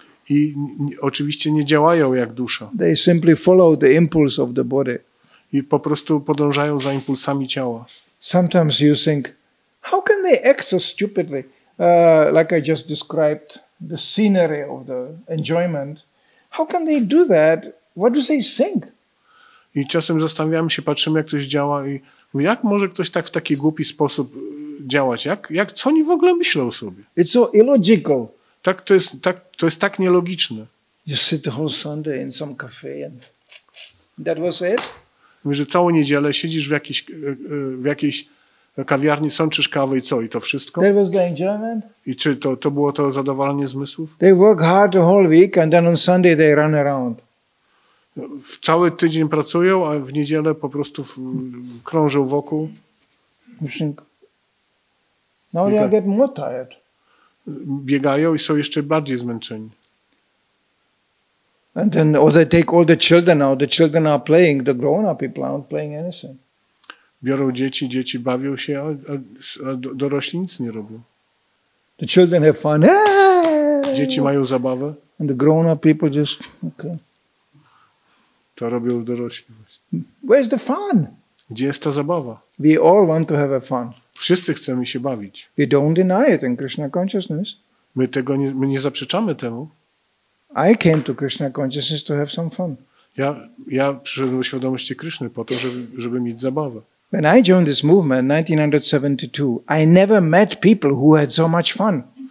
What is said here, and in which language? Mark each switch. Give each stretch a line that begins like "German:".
Polish: I oczywiście nie działają jak dusza.
English: They simply follow the impulse of the body.
Polish: I po prostu podążają za impulsami ciała.
English: Sometimes you think, how can they act so stupidly, like I just described. The scenery of the enjoyment. How can they do that? What do they think?
Polish: I czasem zastanawiamy się, patrzymy, jak ktoś działa i mówię, jak może ktoś tak w taki głupi sposób działać? Jak co oni w ogóle myślą o sobie?
English: It's so illogical.
Polish: Tak to jest nielogiczne.
English: You sit the whole Sunday in some cafe and that was it?
Polish: Mówię, że całą niedzielę siedzisz w jakiejś kawiarni, sączysz kawę i co? I to wszystko?
English: That was the enjoyment.
Polish: I czy to było to zadowolenie zmysłów?
English: They work hard the whole week and then on Sunday they run around.
Polish: W cały tydzień pracują, a w niedzielę po prostu krążą wokół.
English: Now they get more tired.
Polish: Biegają i są jeszcze bardziej zmęczeni.
English: And then they take all the children out. The children are playing. The grown-up people aren't playing anything.
Polish: Biorą dzieci bawią się, a dorośli nic nie robią.
English: The children have fun.
Polish: Dzieci mają zabawę.
English: And the grown-up people just, okay.
Polish: To robią dorośli.
English: Where's the fun?
Polish: Gdzie jest ta zabawa?
English: We all want to have a fun.
Polish: Wszyscy chcemy się bawić.
English: We don't deny it in Krishna consciousness.
Polish: My nie zaprzeczamy temu.
English: I came to Krishna consciousness to have some fun.
Polish: Ja przyszedłem do świadomości Kryszny po to, żeby mieć zabawę.
English: When I joined this movement in 1972, I never met people who had so much fun.